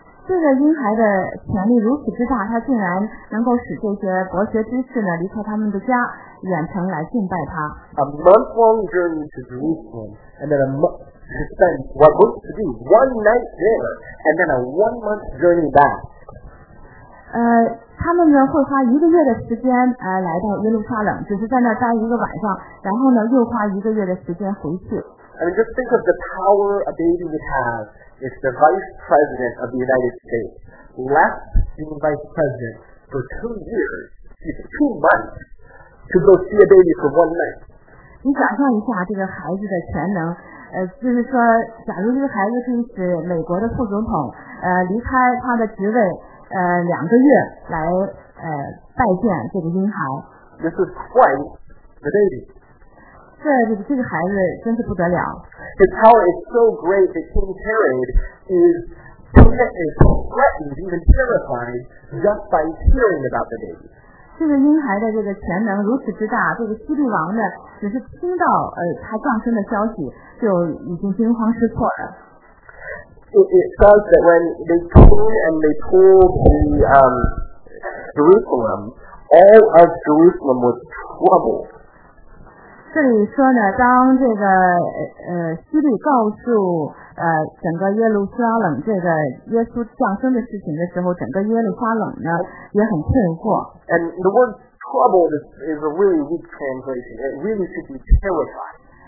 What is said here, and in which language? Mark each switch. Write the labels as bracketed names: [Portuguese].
[Chinese] 这个婴孩的权力如此之大，他竟然能够使这些博学之士呢离开他们的家，远程来敬拜他。 [English] A month-long journey to Jerusalem, and then to spend what looks to be one night there, and then a one-month journey back. [Chinese] 他们呢会花一个月的时间来到耶路撒冷，只是在那待一个晚上，然后呢又花一个月的时间回去。 [English] I mean, just think of the power a baby would have if the vice president of the United States left being vice president for 2 years, it's 2 months, to go see a baby for one night. [Chinese] 你想象一下这个孩子的全能，就是说，假如这个孩子是指美国的副总统，离开他的职位。两个月来拜见这个婴孩。 [English] This is quite the baby. [Chinese] 这个孩子真是不得了。 [English] His power is so great that King Herod is threatened, even terrified, just by hearing about the baby. [Chinese] 这个婴孩的这个潜能如此之大，这个希律王呢，只是听到他降生的消息，就已经惊慌失措了。 [English] It says that when they came and they told the Jerusalem, all of Jerusalem was troubled. [Chinese] 这里说呢，当这个希律告诉整个耶路撒冷这个耶稣降生的事情的时候，整个耶路撒冷呢也很困惑。 [English] And the word troubled is a really weak translation. It really should be terrified.